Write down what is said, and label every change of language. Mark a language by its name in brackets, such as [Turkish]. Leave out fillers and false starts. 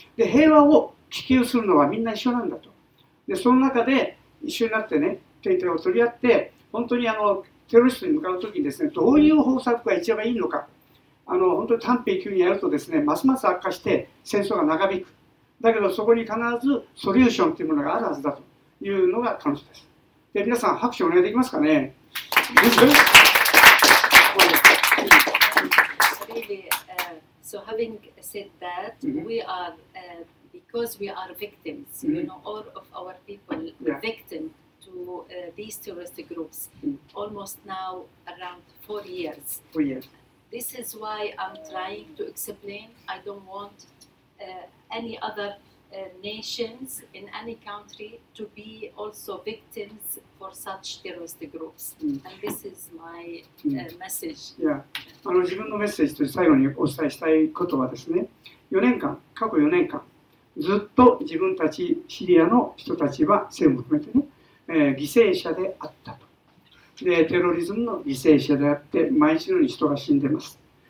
[Japanese] で、平和を希求するのはみんな一緒なんだと。で、その中で一緒になってね、テリトリーを取り合って、本当にテロリストに向かうときにですね、どういう方策が一番いいのか。本当に短兵急にやるとですね、ますます悪化して戦争が長引く。だけどそこに必ずソリューションというものがあるはずだというのが彼女です。で皆さん拍手お願いできますかね。 [English] Really, so having said that, we are, because we are victims, you know, all of our people victim to these terrorist groups, almost now around 4 years. This is why I'm trying to explain, I don't want any other nations in any country to be also victims for such terrorist groups. And this is my message. Yeah. [Japanese] 自分のメッセージとして最後にお伝えしたいことはですね、4年間、過去4年間、ずっと自分たちシリアの人たちは、政府も含めてね、犠牲者であったと。で、テロリズムの犠牲者であって、毎日のように人が死んでます。